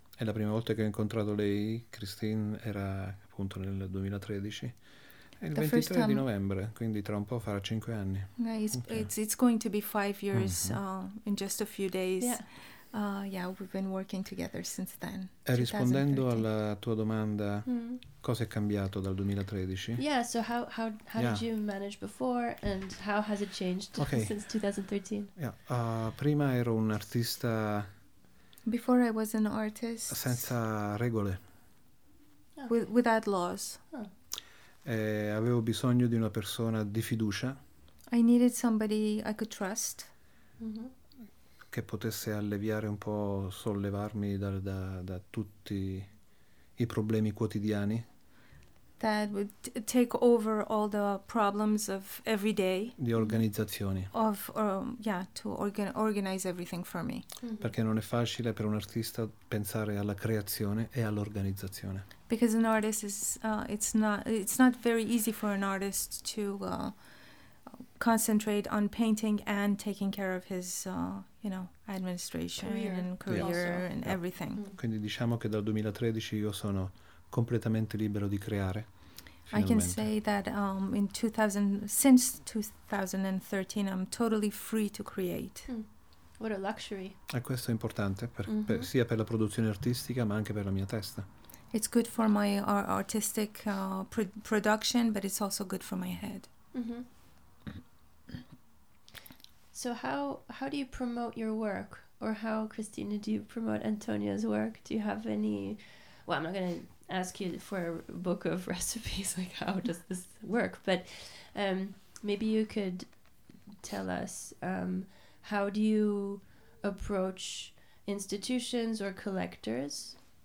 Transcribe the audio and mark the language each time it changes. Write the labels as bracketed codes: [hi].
[it] È la prima volta che ho incontrato lei, Christine, era appunto nel 2013. Il 23 di novembre, quindi tra un po' farà 5 anni. [en] Yeah, it's going to be 5 years in just a few days. Yeah. We've been working together since then. [it] E rispondendo alla tua domanda, cosa è cambiato dal 2013? [en] Yeah, so how did you manage before and how has it changed since 2013? [it] Yeah. Prima ero un artista. [en] Before I was an artist. [it] Senza regole. [en] Without laws. [it] Oh. Avevo bisogno di una persona di fiducia. [en] I needed somebody I could trust. [it] Che potesse alleviare un po', sollevarmi da tutti i problemi quotidiani. [en] that would take over all the problems of every day. [it] Di organizzazioni. [en] To organize everything for me. Mm-hmm. [it] Perché non è facile per un artista pensare alla creazione e all'organizzazione. [en] Because an artist it's not very easy for an artist to concentrate on painting and taking care of his administration career. And career yeah. and yeah. everything. Mm. [it] Quindi diciamo che dal 2013 io sono completamente libero di creare. Finalmente. [en] I can say that since 2013 I'm totally free to create. Mm. What a luxury. [it] E questo è importante per sia per la produzione artistica ma anche per la mia testa. [en] It's good for my artistic production but it's also good for my head. Mm-hmm. So how do you promote your work, or how, Christina, do you promote Antonio's work? Do you have any, well, I'm not going to ask you for a book of recipes, like how does this work, but maybe you could tell us how do you approach institutions or collectors.